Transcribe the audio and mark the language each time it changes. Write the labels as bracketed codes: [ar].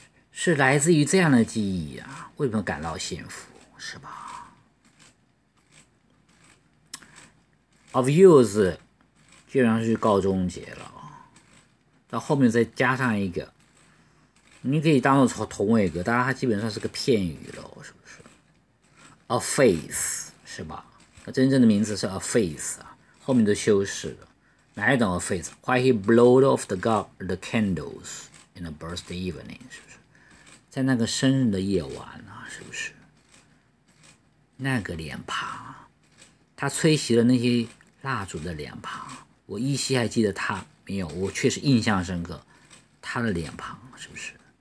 [zh] 是来自于这样的记忆啊，为什么感到幸福，是吧 ？ [en] Of youth， [zh] 既然是告终结了，到后面再加上一个，你可以当做同位格，当然它基本上是个片语了，是不是 ？A face， 是吧？它真正的名字是 a face 啊，后面都修饰了。哪一种 face? [en] Why he blowed off the candles in a birthday evening? [zh] 是不是在那个生日的夜晚啊，是不是那个脸庞，他吹熄了那些蜡烛的脸庞，我依稀还记得他，没有，我确实印象深刻他的脸庞，是不是？